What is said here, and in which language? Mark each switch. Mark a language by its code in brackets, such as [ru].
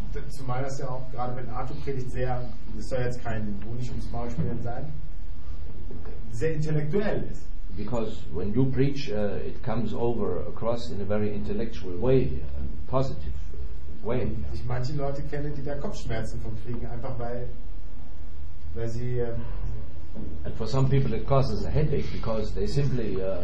[de] Zumal das ja auch gerade wenn Arthur predigt sehr, das soll jetzt kein Honig ums Maul spielen sein, sehr intellektuell ist. [en] Because when you preach, it comes over across in a very intellectual way, a positive way. [de] Und ich manche Leute kenne, die da Kopfschmerzen von kriegen, einfach weil sie. [en] And for some people it causes a headache because they simply.